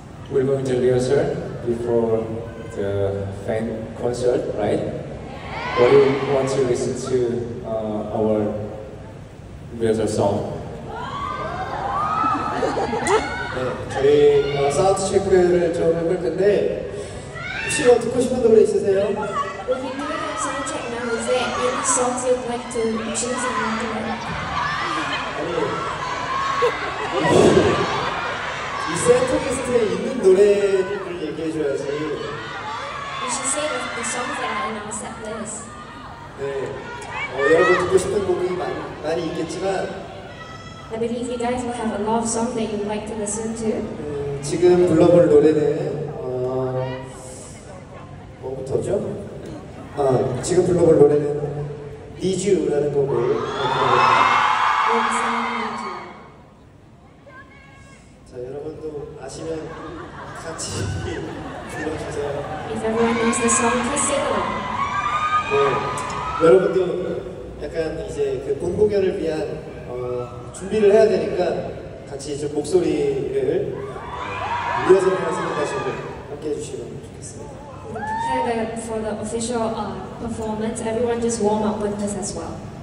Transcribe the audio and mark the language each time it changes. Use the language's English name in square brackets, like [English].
[English] We're going to rehearsal before the fan concert, right? What do you want to listen to our rehearsal song? [Korean] 저희 사운드체크를 좀 해볼 텐데 혹시 뭐 듣고 싶은 노래 있으세요? [English] If you do soundcheck now, is there any songs you'd like to choose in your career? [Korean] 이 세트리스트에 있는 노래를 얘기해줘야지. [English] You should say the songs that are in our set list. [Korean] 네, 여러분 듣고 싶은 곡이 많이 있겠지만 [English] I believe you guys will have a lot of songs that you'd like to listen to. [Korean] 지금 불러볼 노래는 뭐부터죠? 지금 불러볼 노래는 Need You라는 곡으로 자, 여러분도 아시면 같이 불러주세요. [English] If everyone knows the song, please sing along. [Korean] 네. 여러분도 약간 이제 그 본 공연을 위한 준비를 해야 되니까 같이 좀 목소리를 리허설 하시는 가수들 함께 해주시면 좋겠습니다. [English] Prepare the, for the official performance. Everyone just warm up with us as well.